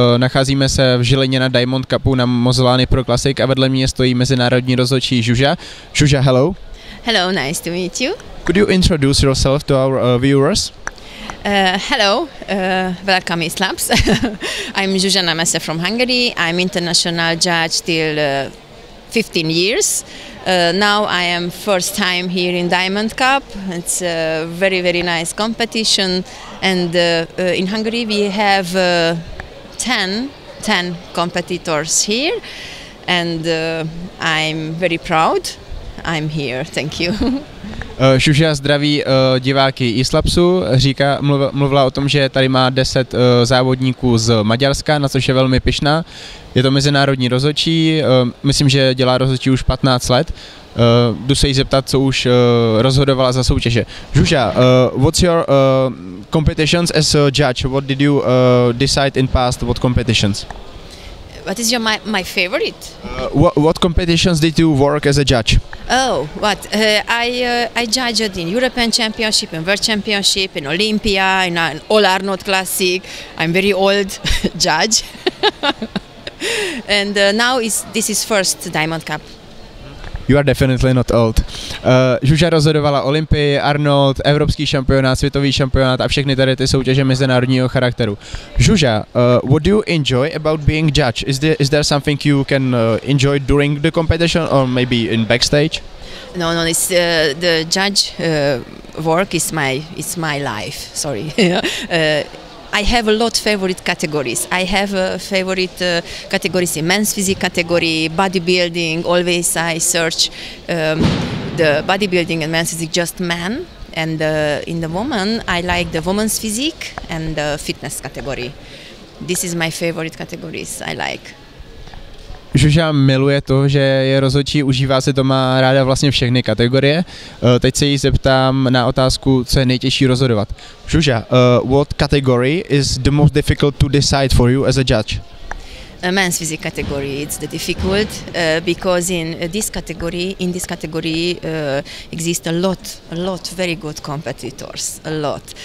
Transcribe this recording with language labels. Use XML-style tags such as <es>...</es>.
<cs>Nacházíme se v Žilině na Diamond Cupu na Mozlány Pro Classic a vedle mě stojí mezinárodní rozhodčí Zsuzsa.</cs> <en>Zsuzsa, hello. Hello, nice to meet you. Could you introduce yourself to our viewers? Hello, welcome Islaps. I'm Zsuzsa Nemese from Hungary. I'm international judge till 15 years. Now I am first time here in Diamond Cup. It's a very, very nice competition. And in Hungary we have 10 competitors here. And I'm very proud I'm here. Thank you.</en> <cs>Zsuzsa zdraví diváky Islapsu, mluvila o tom, že tady má 10 závodníků z Maďarska, na což je velmi pyšná. Je to mezinárodní rozhodčí, myslím, že dělá rozhodčí už 15 let. Jdu se jí zeptat, co už rozhodovala za soutěže.</cs> <en>Zsuzsa, what's your competitions as a judge? What did you decide in past, what competitions? What is your my favorite? What competitions did you work as a judge? Oh, what? I judged in European Championship, in World Championship, in Olympia, in an All Arnold Classic. I'm very old judge. And now this is first Diamond Cup. You are definitely not old.</en> <cs>Zsuzsa rozhodovala Olympii, Arnold, Evropský šampionát, Světový šampionát a všechny tady ty soutěže mezinárodního charakteru.</cs> <en>Zsuzsa, what do you enjoy about being judge? Is there something you can enjoy during the competition or maybe in backstage? No, it's the judge work is my life, sorry. I have a lot favorite categories. I have a favorite categories in men's physique category, bodybuilding. Always I search the bodybuilding and men's physique, just men. And in the woman, I like the woman's physique and the fitness category. This is my favorite categories I like.</en> <cs>Zsuzsa miluje to, že je rozhodčí, užívá si to, má ráda vlastně všechny kategorie. Teď se jí zeptám na otázku, co je nejtěžší rozhodovat.</cs> <en>Zsuzsa, what category is the most difficult to decide for you as a judge? A men's physique category is the difficult because in this category exist a lot very good competitors, a lot.</en>